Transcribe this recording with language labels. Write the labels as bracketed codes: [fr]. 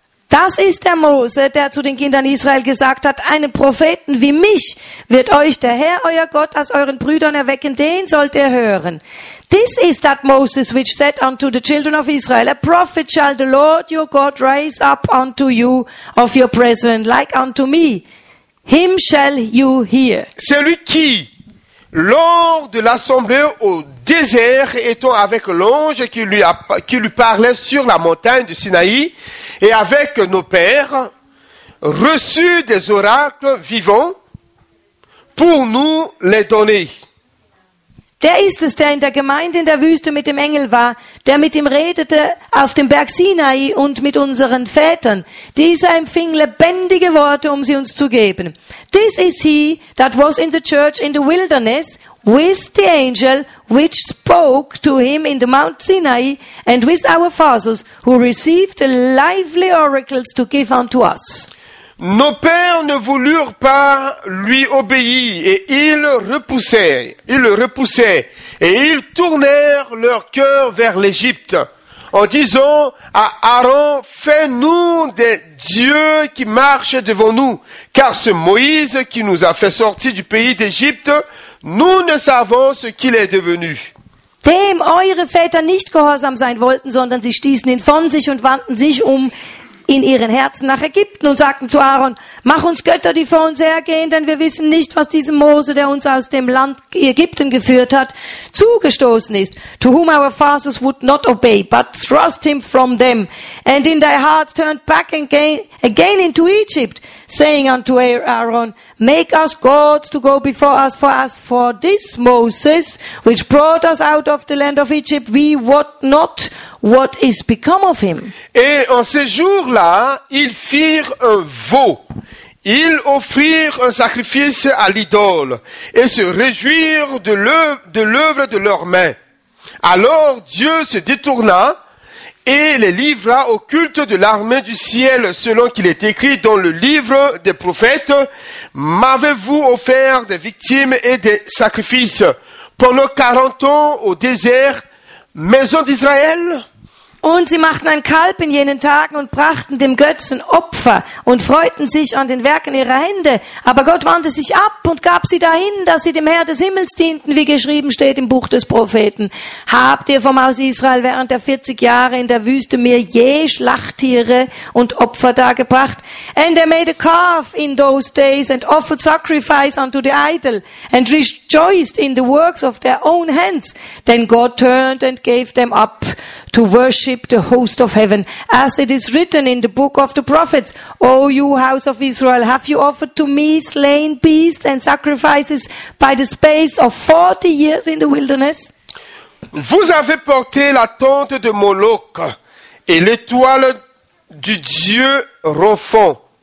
[de] Das ist der Mose, der zu den Kindern Israel gesagt hat, einen Propheten wie mich wird euch der Herr, euer Gott, aus euren Brüdern erwecken, den sollt ihr hören. [en] This is that Moses, which said unto the children of Israel, a prophet shall the Lord your God raise up unto you of your brethren, like unto me. Him shall you hear. [fr] Celui qui, lors de l'assemblée au désert, étant avec l'ange qui lui parlait sur la montagne du Sinaï, et avec nos pères, reçut des oracles vivants pour nous les donner. [de] Der ist es, der in der Gemeinde in der Wüste mit dem Engel war, der mit ihm redete auf dem Berg Sinai und mit unseren Vätern. Dieser empfing lebendige Worte, um sie uns zu geben. [en] This is he that was in the church in the wilderness with the angel which spoke to him in the Mount Sinai and with our fathers who received the lively oracles to give unto us. [fr] Nos pères ne voulurent pas lui obéir et ils le repoussaient et ils tournèrent leur cœur vers l'Égypte en disant à Aaron, fais-nous des dieux qui marchent devant nous, car ce Moïse qui nous a fait sortir du pays d'Égypte, nous ne savons ce qu'il est devenu. [de] Dem eure Väter nicht gehorsam sein wollten, sondern sie stießen ihn von sich und wandten sich um in ihren Herzen nach Ägypten und sagten zu Aaron, mach uns Götter, die vor uns hergehen, denn wir wissen nicht, was diesem Mose, der uns aus dem Land Ägypten geführt hat, zugestoßen ist. [en] To whom our fathers would not obey, but thrust him from them. And in their hearts turned back again into Egypt, saying unto Aaron, make us gods to go before us, for this Moses, which brought us out of the land of Egypt, we wot not what is become of him. [fr] Et en ces jours-là, ils firent un veau. Ils offrirent un sacrifice à l'idole et se réjouirent de l'œuvre de leurs mains. Alors Dieu se détourna et les livra au culte de l'armée du ciel, selon qu'il est écrit dans le livre des prophètes, m'avez-vous offert des victimes et des sacrifices pendant 40 ans au désert, maison d'Israël? [de] Und sie machten ein Kalb in jenen Tagen und brachten dem Götzen Opfer und freuten sich an den Werken ihrer Hände. Aber Gott wandte sich ab und gab sie dahin, dass sie dem Herr des Himmels dienten, wie geschrieben steht im Buch des Propheten. Habt ihr vom Haus Israel während der 40 Jahre in der Wüste mir je Schlachttiere und Opfer dargebracht? [en] And I made a calf in those days and offered sacrifice unto the idol and rejoiced in the works of their own hands. Then God turned and gave them up to worship the host of heaven, as it is written in the book of the prophets, O you house of Israel, have you offered to me slain beasts and sacrifices by the space of 40 years in the wilderness? [fr] Vous avez porté la tente de Moloch et l'étoile du Dieu Rophon.